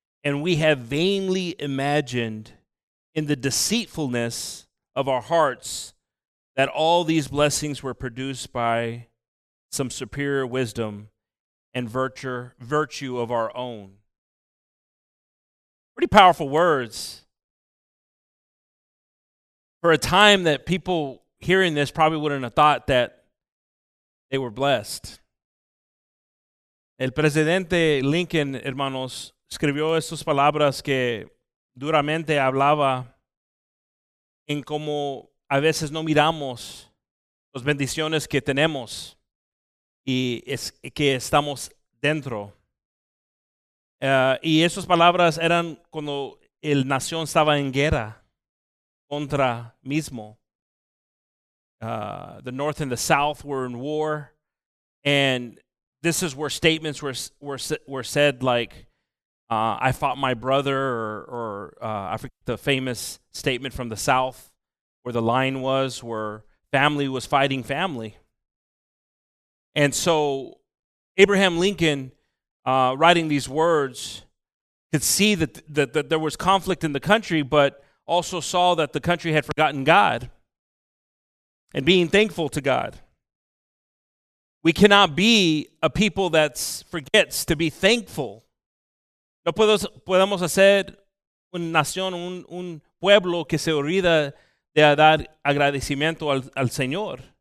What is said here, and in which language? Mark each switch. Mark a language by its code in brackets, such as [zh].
[en] And we have vainly imagined in the deceitfulness of our hearts that all these blessings were produced by some superior wisdom and virtue of our own." Pretty powerful words. For a time that people hearing this probably wouldn't have thought that they were blessed. [es] El presidente Lincoln, hermanos, escribió estas palabras que duramente hablaba en cómo a veces no miramos las bendiciones que tenemos y es que estamos dentro. Y esas palabras eran cuando el nación estaba en guerra contra mismo. [en] The North and the South were in war, and this is where statements were said like, "I fought my brother," or I forget the famous statement from the South where the line was, where family was fighting family. And so Abraham Lincoln, writing these words, could see that there was conflict in the country, but also saw that the country had forgotten God and being thankful to God. We cannot be a people that forgets to be thankful. [es] No podemos hacer una nación, un pueblo que se olvida de dar agradecimiento al Señor.